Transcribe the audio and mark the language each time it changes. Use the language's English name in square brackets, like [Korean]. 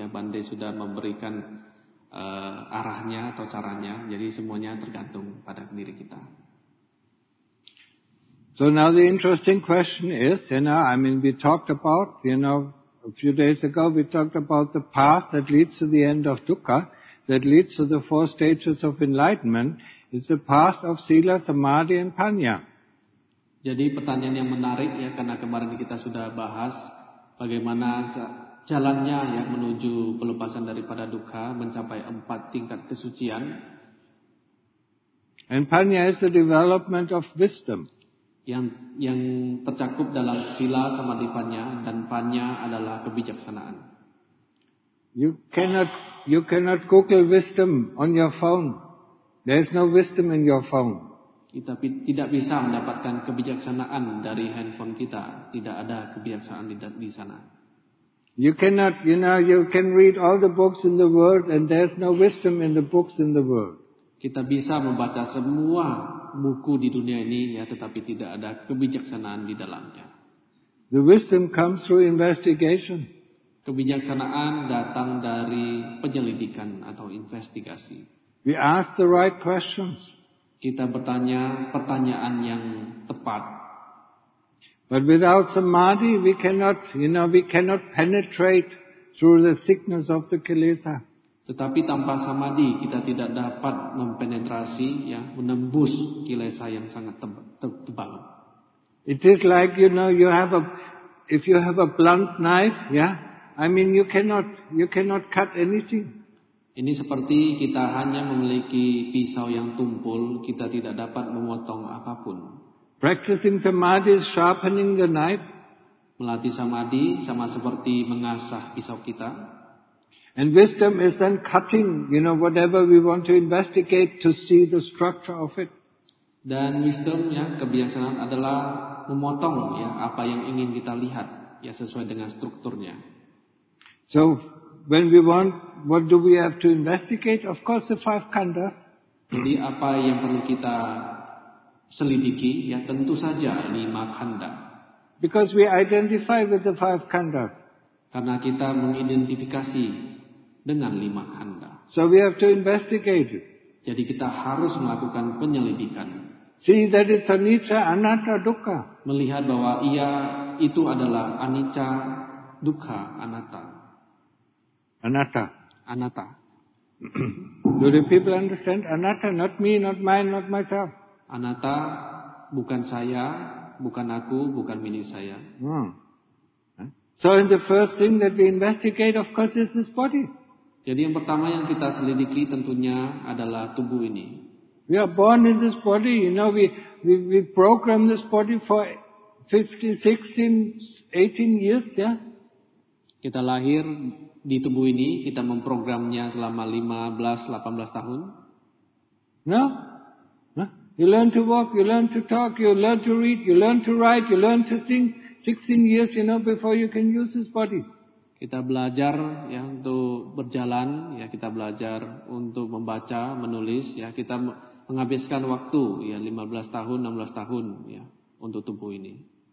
[Indonesian] Ya, Bande sudah memberikan arahnya atau caranya. Jadi semuanya tergantung pada diri kita. [English] So now the interesting question is, you know, I mean, we talked about, you know, a few days ago, we talked about the path that leads to the end of dukkha, that leads to the four stages of enlightenment, is the path of sila, samadhi, and panya. [Indonesian] Jadi pertanyaan yang menarik, ya, karena kemarin kita sudah bahas bagaimana jalannya yang menuju pelepasan daripada dukkha, mencapai empat tingkat kesucian. [English] And panya is the development of wisdom. [Indonesian] Yang tercakup dalam sila sama dipanya, dan panya adalah kebijaksanaan. [English] You cannot Google wisdom on your phone. There is no wisdom in your phone. [Indonesian] Kita tidak bisa mendapatkan kebijaksanaan dari handphone kita. Tidak ada kebijaksanaan di sana. [English] You cannot, you know, you can read all the books in the world and there's no wisdom in the books in the world. [Indonesian] Kita bisa membaca semua buku di dunia ini, ya, tetapi tidak ada kebijaksanaan di dalamnya. [English] The wisdom comes through investigation. [Indonesian] Kebijaksanaan datang dari penyelidikan atau investigasi. [English] We ask the right questions. [Indonesian] Kita bertanya pertanyaan yang tepat. [English] But without samadhi, we cannot, you know, we cannot penetrate through the thickness of the kilesa. [Indonesian] Tetapi tanpa samadhi, kita tidak dapat mempenetrasi, ya, menembus kilesa yang sangat tebal. [English] It is like, you know, if you have a blunt knife, yeah, I mean, you cannot cut anything. [Indonesian] Ini seperti kita hanya memiliki pisau yang tumpul, kita tidak dapat memotong apapun. [English] Practicing samadhi is sharpening the knife. [Indonesian] Melatih samadhi sama seperti mengasah pisau kita. [English] And wisdom is then cutting, you know, whatever we want to investigate to see the structure of it. [Indonesian] Dan wisdom, ya, kebiasaan adalah memotong, ya, apa yang ingin kita lihat, ya, sesuai dengan strukturnya. [English] So when we want, what do we have to investigate? Of course, the five khandhas. [Indonesian] Jadi apa yang perlu kita selidiki, ya, tentu saja lima khanda. [English] Because we identify with the five khandas. [Indonesian] Karena kita mengidentifikasi dengan lima khanda. [English] So we have to investigate. [Indonesian] Jadi kita harus melakukan penyelidikan. [English] See that it's anicca, anatta, dukkha. [Indonesian] Melihat bahwa ia itu adalah anicca, dukkha, anatta. [Pali] Anatta. Anatta. [English] Do the people understand? Anatta, not me, not mine, not myself. [Indonesian] Anatta, bukan saya, bukan aku, bukan milik saya. [English] So in the first thing that we investigate, of course, is this body. [Indonesian] Jadi yang pertama yang kita selidiki tentunya adalah tubuh ini. [English] We are born in this body, you know, we program this body for 50, 16, 18 years, ya. Yeah? [Indonesian] Kita lahir di tubuh ini, kita memprogramnya selama 15, 18 tahun. [English] No? You learn to walk, you learn to talk, you learn to read, you learn to write, you learn to sing 16 years, you know, before you can use this body. [Indonesian] Kita belajar, ya, untuk berjalan, ya, kita belajar untuk membaca, menulis, ya, kita menghabiskan waktu, ya, 15 tahun, 16 tahun, ya, untuk tubuh ini.